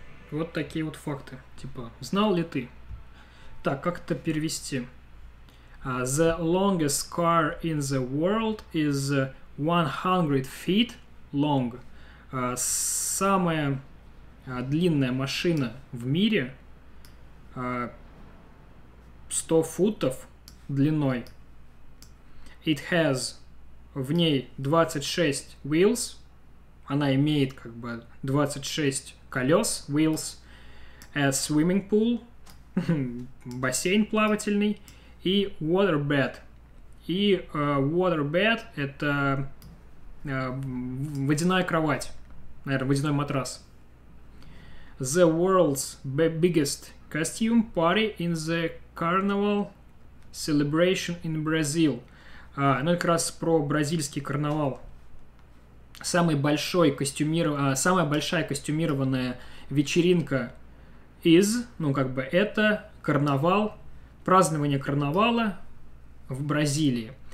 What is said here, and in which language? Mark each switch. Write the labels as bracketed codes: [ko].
[ru] Вот такие вот факты. Типа, знал ли ты? Так, как это перевести? [en] The longest car in the world is 100 feet long. [ru] Самая длинная машина в мире 100 футов длиной. [en] It has, [ru] в ней [en] 26 wheels. [ru] Она имеет как бы 26 колес, wheels, [en] a swimming pool, [ru] бассейн плавательный, и waterbed. И waterbed — это водяная кровать, наверное, водяной матрас. [en] The world's biggest costume party in the carnival celebration in Brazil. [ru] Ну, как раз про бразильский карнавал. Самая большая костюмированная вечеринка из, ну, как бы, это карнавал, празднование карнавала в Бразилии.